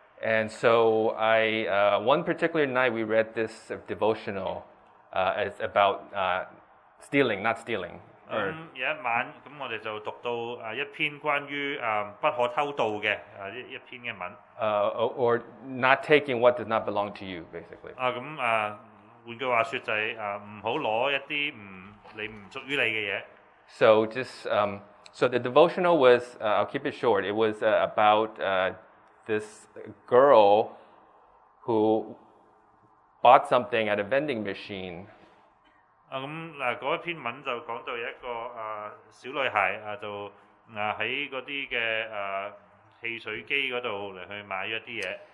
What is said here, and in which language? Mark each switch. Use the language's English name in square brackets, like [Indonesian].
[English] And so I one particular night we read this devotional it's about stealing, not stealing. [Cantonese] 有一晚咁我哋就讀到啊一篇關於啊不可偷盜嘅啊一篇嘅文。 [English] Or not taking what does not belong to you, basically. 啊咁啊。 [Cantonese] 換句話說就係啊，唔好攞一啲你唔屬於你嘅嘢。 [English] So just so the devotional was I'll keep it short. It was about this girl who bought something at a vending machine. [Cantonese] 啊咁嗱，嗰一篇文就講到一個小女孩啊，就啊喺嗰啲嘅汽水機嗰度嚟去買一啲嘢。